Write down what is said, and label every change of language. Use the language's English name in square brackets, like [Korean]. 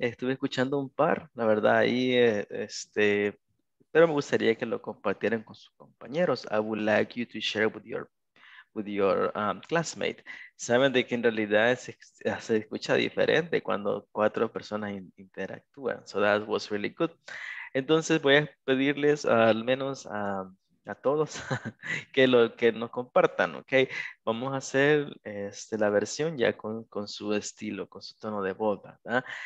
[Spanish] Estuve escuchando un par, la verdad, ahí, pero me gustaría que lo compartieran con sus compañeros. [English] I would like you to share with your classmate. [Spanish] Saben de que en realidad se escucha diferente cuando cuatro personas interactúan. [English] So that was really good. [Spanish] Entonces voy a pedirles al menos a todos que nos compartan, ¿ok? Vamos a hacer la versión ya con su estilo, con su tono de voz, ¿verdad?